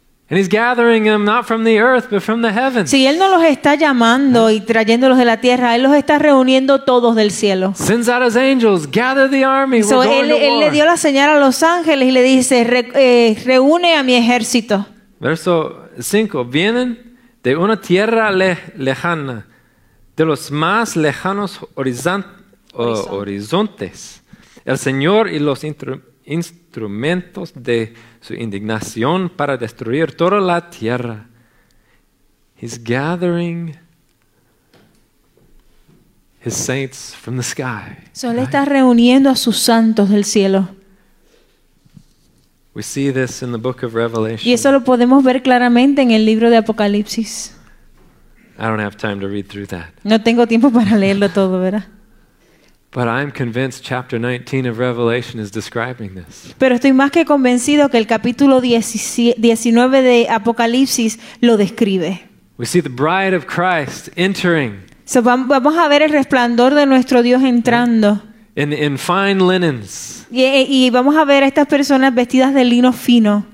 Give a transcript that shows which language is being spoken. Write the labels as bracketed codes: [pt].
[en] And he's gathering them not from the earth but from the heavens. [es] Si él no los está llamando y trayéndolos de la tierra, él los está reuniendo todos del cielo. [en] Sends out his angels, gather the army. So we're going [es] él le dio la señal a los ángeles y le dice, reúne a mi ejército. Verso 5, vienen de una tierra lejana, de los más lejanos horizontes. El Señor y los instrumentos de su indignación para destruir toda la tierra. [en] He's gathering his saints from the sky. [es] Solo [en] right? [es] Está reuniendo a sus santos del cielo. [en] We see this in the book of Revelation. [es] Y eso lo podemos ver claramente en el libro de Apocalipsis. [en] I don't have time to read through that. [es] No tengo tiempo para leerlo todo, ¿verdad? [en] But I'm convinced chapter 19 of Revelation is describing this. [es] Pero estoy más que convencido que el capítulo 19 de Apocalipsis lo describe. [en] We see the bride of Christ entering. [es] So vamos a ver el resplandor de nuestro Dios entrando. [en] In fine linens. [es] Y vamos a ver a estas personas vestidas de lino fino.